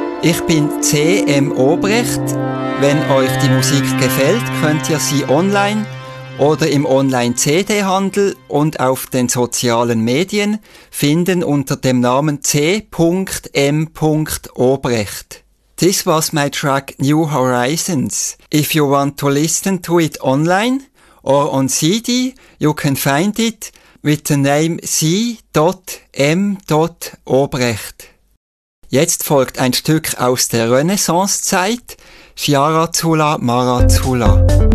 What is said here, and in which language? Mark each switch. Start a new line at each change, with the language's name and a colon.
German: Ich bin C.M. Obrecht. Wenn euch die Musik gefällt, könnt ihr sie online oder im Online-CD-Handel und auf den sozialen Medien finden unter dem Namen C.M.
English: Obrecht. This was my track New Horizons. If you want to listen to it online or on CD, you can find it with the name C.M. Obrecht.
German: Jetzt folgt ein Stück aus der Renaissance-Zeit, Chiaratula Maratula.